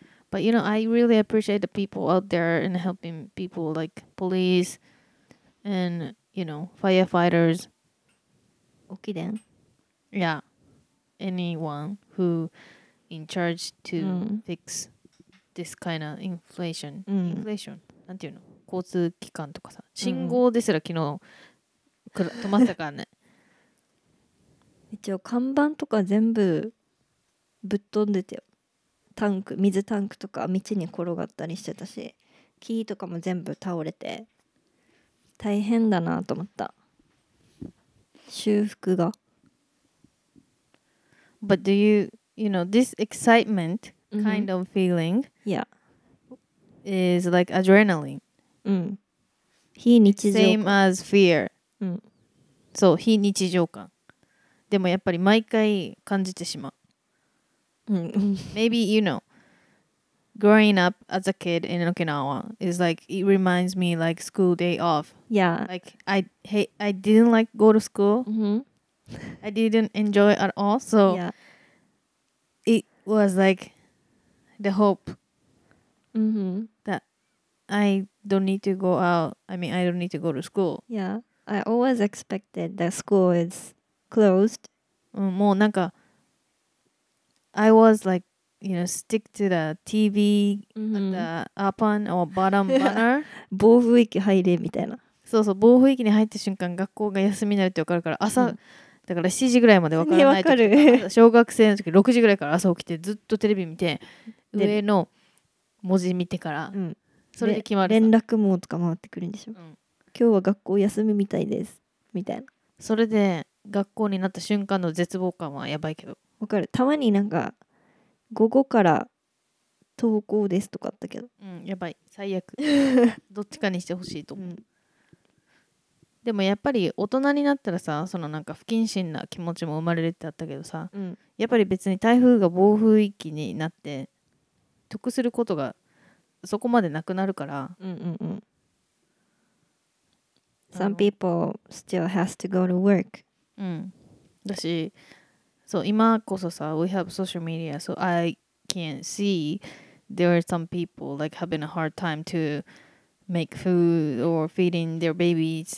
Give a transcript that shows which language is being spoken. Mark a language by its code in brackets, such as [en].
[en] But you know, I really appreciate the people out there and helping people, like police and you know firefighters. Okiden. Yeah. Anyone who in charge to fix this kind of inflation. Inflation. [ja] なんていうの？交通機関とかさ。信号ですら昨日止まったからね。一応看板とか全部ぶっ飛んでてよ。タンク、水タンクとか道に転がったりしてたし、木とかも全部倒れて大変だなと思った。修復が。 [en] But do you, you know, this excitement kind of feeling is like adrenaline. [ja] うん。非日常 [en] 感。Same as fear. [ja] うん。そう、非日常感。でもやっぱり毎回感じてしまう。うん。 [en] Maybe, you know, growing up as a kid in Okinawa is like, it reminds me like school day off. Yeah. Like, I didn't like go to school. Mm-hmm. I didn't enjoy at all. So, yeah. It was like the hope mm-hmm. that I don't need to go out. I mean, I don't need to go to school. Yeah. I always expected that school is closed. [ja] もうなんか、 [en] I was like,you know, stick to the TV at the upper or bottom banner. [ja] 暴風域入れみたいな。そうそう、暴風域に入った瞬間学校が休みになるって分かるから朝、うん、だから7時ぐらいまで分からない時とか、ね、分かる。小学生の時6時ぐらいから朝起きてずっとテレビ見て上の文字見てから、うん、それで決まる。連絡網とか回ってくるんでしょ、うん、今日は学校休みみたいですみたいな。それで学校になった瞬間の絶望感はやばいけど分かる。たまになんか午後から登校ですとかあったけど、うん、やばい最悪。どっちかにしてほしいと思う、うん、でもやっぱり大人になったらさ、そのなんか不謹慎な気持ちも生まれるってあったけどさ、うん、やっぱり別に台風が暴風域になって得することがそこまでなくなるから、うんうんうん、 [en] Some people still has to go to work、 [ja] うん、だしそう今こそさ [en] we have social media so I can see there are some people like having a hard time to make food or feeding their babies